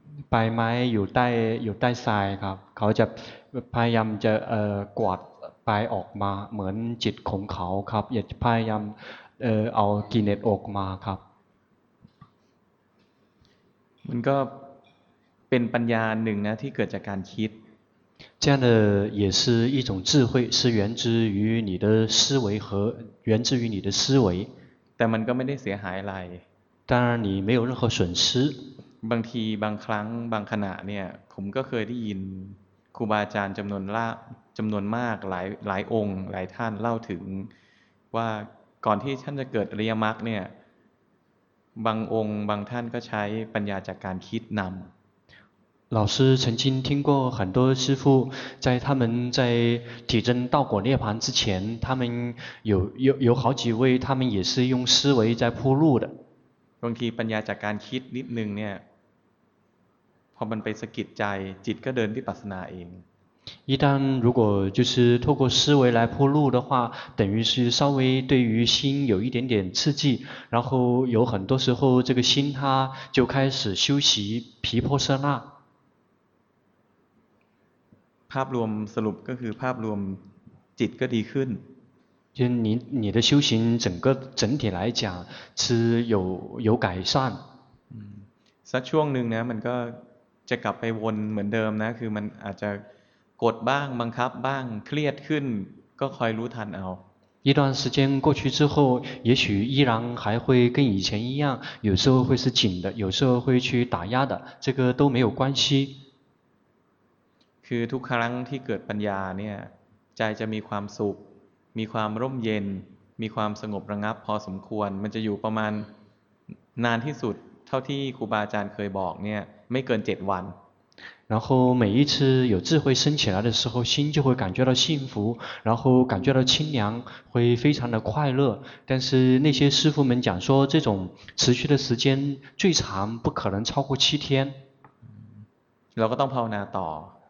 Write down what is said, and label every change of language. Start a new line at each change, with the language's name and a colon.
Thai: ใบไม้อยู่ใต้ทรายครับเขาจะพยายามจะกวาดไปออกมาเหมือนจิตของเขาครับอยากพยายามเอากิเลสออกมาครับ มันก็เป็นปัญญาหนึ่งนะที่เกิดจากการคิด
Chinese: 这样的也是一种智慧是源自于你的思维和源自于你的思维
Thai: แต่มันก็ไม่ได้เสียหายอะไร
Chinese: 当然你没有任何损失
Thai: บางทีบางครั้งบางขณะเนี่ยผมก็เคยได้ยินครูบาอาจารย์จำนวนมากหลายองค์หลายท่านเล่าถึงว่าก่อนที่ท่านจะเกิดอริยมรรคเนี่ยบางองค์บางท่านก็ใช้ปัญญาจากการคิดนำ
Chinese: 老师曾经听过很多师父在他们在体证道果涅槃之前他们有好几位他们也是用思维在铺路的
Thai: บางทีปัญญาจากการคิดนิดนึงเนี่ยพอมันไปสะกิดใจจิตก็เดินวิปัสสนาเอง
Chinese: 一旦如果就是透过思维来铺路的话等于是稍微对于心有一点点刺激然后有很多时候这个心它就开始修习毗婆舍那
Thai: ภาพรวมสรุปก็คือภาพรวมจิตก็ดีขึ้น
Chinese: ที่你的修行整体来讲是有改善
Thai: สักช่วงหนึ่งนะมันก็จะกลับไปวนเหมือนเดิมนะคือมันอาจจะกดบ้างบังคับบ้างเครียดขึ้นก็คอยรู้ทันเอา
Chinese: 一段时间过去之后，也许依然还会跟以前一样，有时候会是紧的，有时候会去打压的，这个都没有关系。
Thai: คือทุกครั้งที่เกิดปัญญาเนี่ยใจจะมีความสุขมีความร่มเย็นมีความสงบระงับพอสมควรมันจะอยู่ประมาณนานที่สุดเท่าที่ครูบาอาจารย์เคยบอกเนี่ยไม่เกิน7วัน
Chinese: 然后每一次有智慧升起来的时候，心就会感觉到幸福，然后感觉到清凉，会非常的快乐。但是那些师父们讲说，这种持续的时间最长不可能超过七天。然后当朋友呢，到